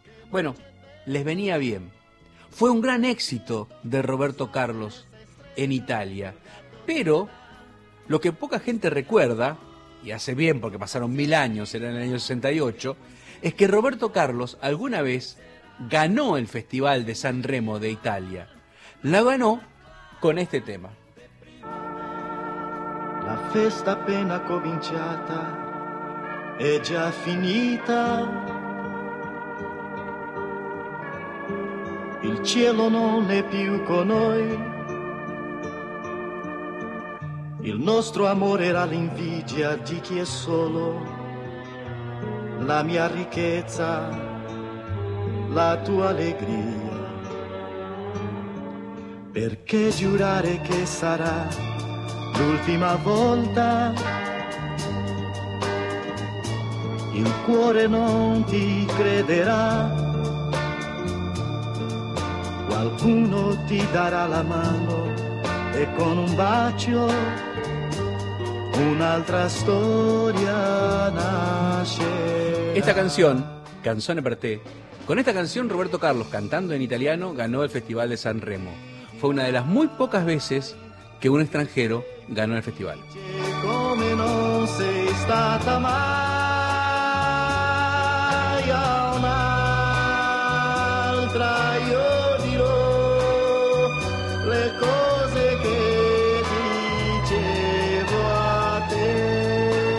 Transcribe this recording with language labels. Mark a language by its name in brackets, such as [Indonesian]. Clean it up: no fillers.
[Spanish] Bueno, les venía bien. Fue un gran éxito de Roberto Carlos en Italia. Pero lo que poca gente recuerda, y hace bien porque pasaron mil años, era en el año 68, es que Roberto Carlos alguna vez ganó el Festival de San Remo de Italia. La ganó con este tema. [Italian] La festa appena cominciata è già finita. Il cielo non è più con noi. Il nostro amore era l'invidia di chi è solo. La mia ricchezza, la tua allegria. Perché giurare che sarà l'ultima volta, il cuore non ti crederà, qualcuno ti darà la mano e con un bacio un'altra storia nasce. [Spanish] Esta canción, Canzone per te, con esta canción Roberto Carlos cantando en italiano ganó el Festival de San Remo. Fue una de las muy pocas veces que un extranjero ganó el festival. [Italian] Come non sei stata mai a un'altra, io dirò le cose che dicevo a te.